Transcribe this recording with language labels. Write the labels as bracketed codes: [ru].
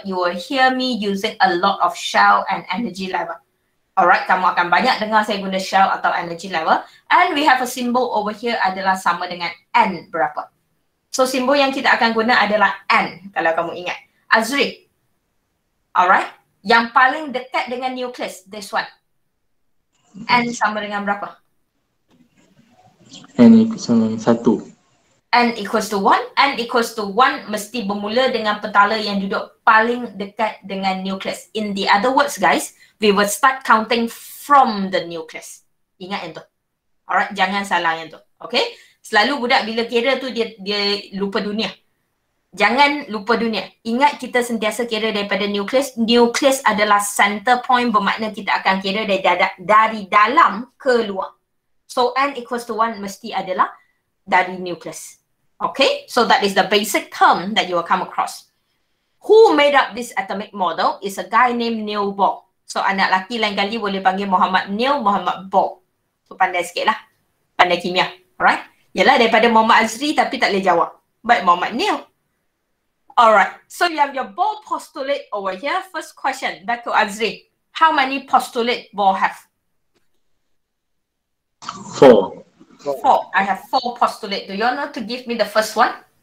[en] You will hear me using a lot of shell and energy level. [ms] Alright, kamu akan banyak dengar saya guna shell atau energy level. [en] And we have a symbol over here [ms] adalah sama dengan N berapa. So, symbol yang kita akan guna adalah N, kalau kamu ingat. Azri. [en] Alright? [ms] Yang paling dekat dengan nucleus, [en] this one. [ms] N sama dengan berapa? N sama dengan 1. [en] N equals to 1. N equals to 1 [ms] mesti bermula dengan petala yang duduk paling dekat dengan nucleus. [en] In the other words, guys, we will start counting from the nucleus. [ms] Ingat yang tu. Alright, jangan salah yang tu. Okay? Selalu budak bila kira tu dia lupa dunia. Jangan lupa dunia. Ingat kita sentiasa kira daripada nucleus. Nucleus adalah center point, bermakna kita akan kira dari dalam ke luar. [en] So N equals to 1 [ms] mesti adalah dari nucleus. [en] Okay, so that is the basic term that you will come across. Who made up this atomic model is a guy named Neil Bohr. [ms] So anak lelaki lain kali boleh panggil Muhammad Neil, Muhammad Bohr. So pandai sikit lah. Pandai kimia. Alright? Yalah, daripada Muhammad Azri tapi tak boleh jawab. [en] But Muhammad Neil. Alright, so you have your Bohr postulate over here. First question, back to Azri. How many postulate Bohr have? Four. I have four postulate. Do you want to give me the first one?